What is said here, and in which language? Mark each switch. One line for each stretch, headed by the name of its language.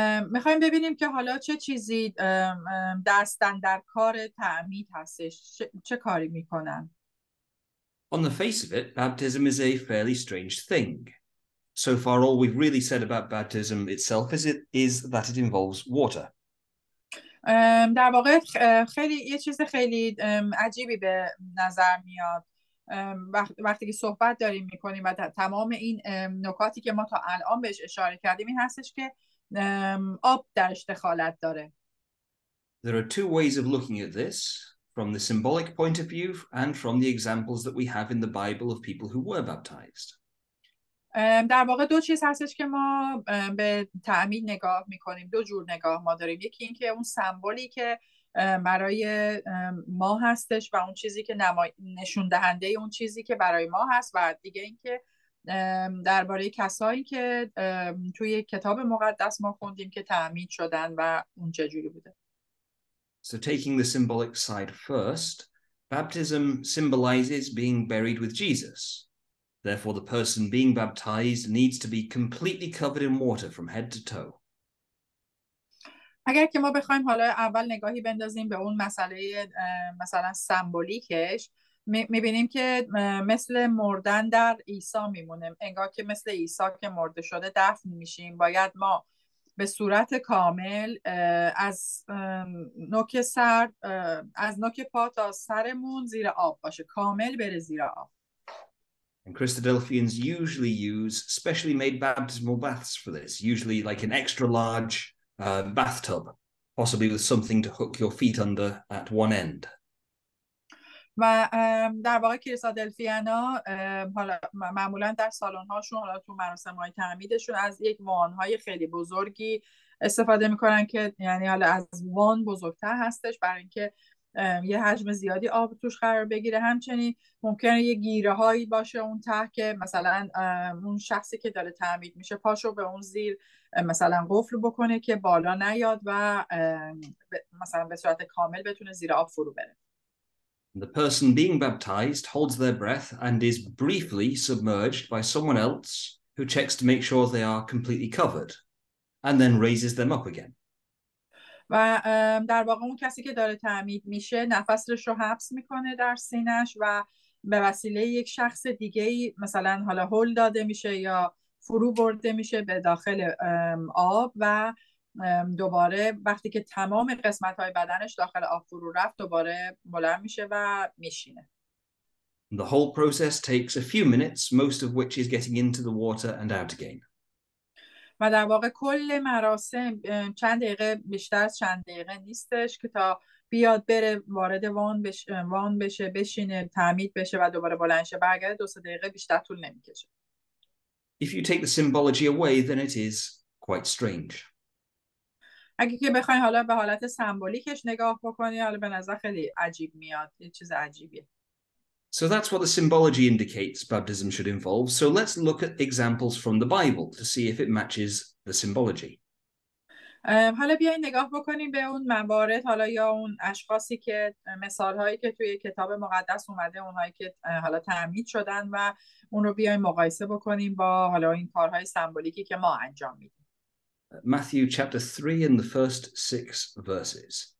Persian: میخوایم ببینیم که حالا چه چیزی دستن در کار تعمید هستش، چه کاری میکنن.
English: On the face of it, baptism is a fairly strange thing. So far all we've really said about baptism itself is that it involves water.
Persian: در واقع خیلی یه چیز خیلی عجیبی به نظر میاد وقتی که صحبت داریم میکنیم و تمام این نکاتی که ما تا الان بهش اشاره کردیم این هستش که آب در اشتخالت داره.
English: There are two ways of looking at this, from the symbolic point of view and from the examples that we have in the Bible of people who were baptized.
Persian: در واقع دو چیز هستش که ما به تعمید نگاه میکنیم، دو جور نگاه ما داریم. یکی این که اون سمبولی که برای ما هستش و اون چیزی که نشون دهنده اون چیزی که برای ما هست و دیگه این که درباره کسایی که توی کتاب مقدس ما خوندیم که تعمید شدن و اون چه جوری بوده.
English: So taking the symbolic side first, baptism symbolizes being buried with Jesus. Therefore the person being baptized needs to be completely covered in water from head to toe.
Persian: اگر که ما بخوایم حالا اول نگاهی بندازیم به اون مسئله مثلا سمبولیکش، میبینیم که مثل مردن در عیسی میمونیم، انگار که مثل عیسی که مرده شده دفن میشیم، باید ما به صورت کامل از نوک سر از نوک پا تا سرمون زیر آب باشه، کامل بره زیر آب.
English: And Christadelphians usually use specially made baptismal baths for this, usually like an extra large bathtub, possibly with something to hook your feet under at one end.
Persian: و در واقع کلیسا دلفیانا حالا معمولا در سالن هاشون حالا تو مراسم های تعمیدشون از یک وان های خیلی بزرگی استفاده میکنن که یعنی حالا از وان بزرگتر هستش برای اینکه یه حجم زیادی آب توش قرار بگیره. همچنین ممکنه یه گیره هایی باشه اون ته که مثلا اون شخصی که داره تعمید میشه پاشو به اون زیر مثلا قفل بکنه که بالا نیاد و مثلا به صورت کامل بتونه زیر آب فرو بره.
English: The person being baptized holds their breath and is briefly submerged by someone else who checks to make sure they are completely covered and then raises them up again.
Persian: و در واقع اون کسی که داره تعمید میشه نفسش رو حبس میکنه در سینه‌اش و به وسیله یک شخص دیگه ای مثلا حالا هل داده میشه یا فرو برده میشه به داخل آب و دوباره وقتی که تمام قسمت های بدنش داخل آب فرو رفت دوباره بلند میشه و میشینه.
English: The whole process takes a few minutes, most of which is getting into the water and out again.
Persian: و در واقع کل مراسم چند دقیقه بیشتر از چند دقیقه نیستش که تا بیاد بره وارد وان بشه بشینه تعمید بشه و دوباره بلند شه برگرده دو سه دقیقه بیشتر طول نمیکشه.
English: If you take the symbology away, then it is quite strange.
Persian: اگه که بخوای حالا به حالت سمبولیکش نگاه بکنی حالا به نظر خیلی عجیب میاد، یه چیز عجیبیه.
English: So that's what the symbology indicates baptism should involve. So let's look at examples from the Bible to see if it matches the symbology.
Persian: حالا بیاین نگاه بکنیم به اون موارد حالا یا اون اشخاصی که مثالهایی که توی کتاب مقدس اومده اونهایی که حالا تعمید شدن و اون رو بیاین مقایسه بکنیم با حالا این کارهای سمبولیکی که ما انجام میدیم.
English: Matthew chapter 3 in the first 6 verses.